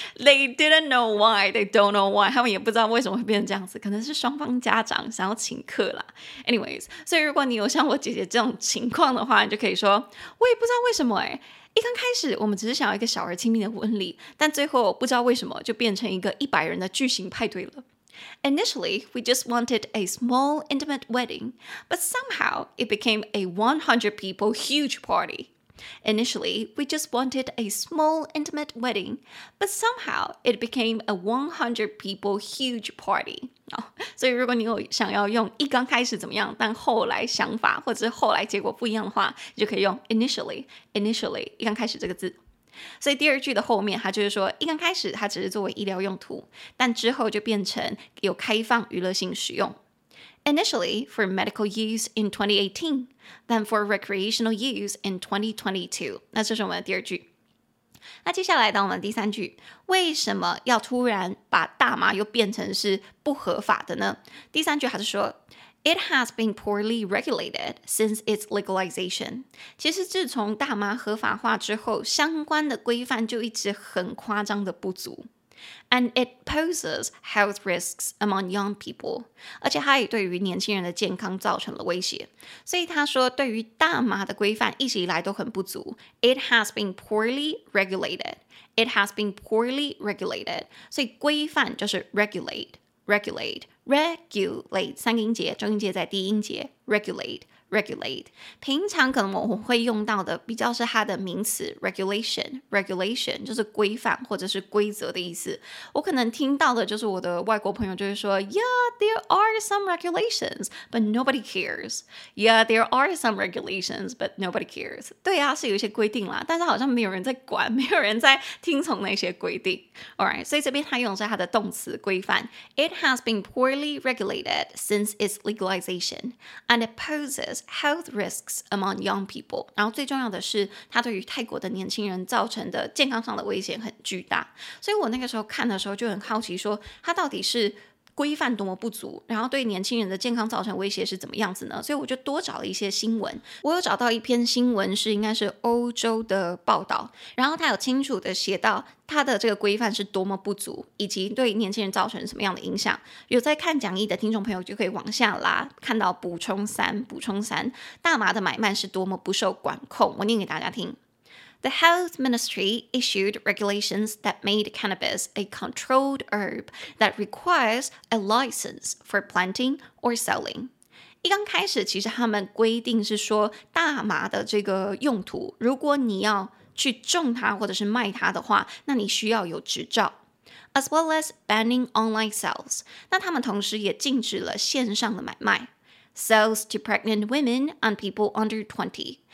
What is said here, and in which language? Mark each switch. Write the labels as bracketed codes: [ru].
[en] They didn't know why, [zh] they don't know why, 他们也不知道为什么会变成这样子，可能是双方家长想要请客啦。 Anyways, 所以如果你有像我姐姐这种情况的话，你就可以说我也不知道为什么，一刚开始我们只是想要一个小而亲密的婚礼，但最后不知道为什么就变成一个100人的巨型派对了。 [en] Initially, we just wanted a small intimate wedding, but somehow it became a 100 people huge party. Initially, we just wanted a small intimate wedding, but somehow it became a 100 people huge party. [zh] 所以如果你有想要用一刚开始怎么样，但后来想法或者是后来结果不一样的话，你就可以用 initially 一刚开始这个字。所以第二句的后面，它就是说一刚开始它只是作为医疗用途，但之后就变成有开放娱乐性使用。 [en] Initially for medical use in 2018, then for recreational use in 2022. [zh] 那这是我们的第二句。那接下来到我们第三句，为什么要突然把大麻又变成是不合法的呢？第三句还是说 [en] It has been poorly regulated since its legalization. [zh] 其实自从大麻合法化之后，相关的规范就一直很夸张的不足。 [en] And it poses health risks among young people. [zh] 而且它也对于年轻人的健康造成了威胁。所以他说对于大麻的规范一直以来都很不足。 [en] It has been poorly regulated. It has been poorly regulated. [zh] 所以规范就是 regulate. 三个音节，中音节在第一音节。 regulate. 平常可能我们会用到的比较是它的名词 regulation 就是规范或者是规则的意思。我可能听到的就是我的外国朋友就是说 [en] Yeah, there are some regulations, but nobody cares. Yeah, there are some regulations, but nobody cares. [zh] 对啊，是有一些规定啦，但是好像没有人在管，没有人在听从那些规定。 Alright, 所以这边他用的是它的动词规范。 [en] It has been poorly regulated since its legalization, and it poses serious health risks among young people. [zh] 然后最重要的是，它对于泰国的年轻人造成的健康上的危险很巨大。所以我那个时候看的时候就很好奇说，它到底是规范多么不足，然后对年轻人的健康造成威胁是怎么样子呢？所以我就多找了一些新闻。我有找到一篇新闻是应该是欧洲的报道，然后他有清楚的写到他的这个规范是多么不足，以及对年轻人造成什么样的影响。有在看讲义的听众朋友就可以往下拉，看到补充三，补充三，大麻的买卖是多么不受管控。我念给大家听。 [en] The Health Ministry issued regulations that made cannabis a controlled herb that requires a license for planting or selling. [zh] 一刚开始其实他们规定是说大麻的这个用途，如果你要去种它或者是卖它的话，那你需要有执照。 [en] As well as banning online sales. [zh] 那他们同时也禁止了线上的买卖。 [en] Sales to pregnant women and people under 20.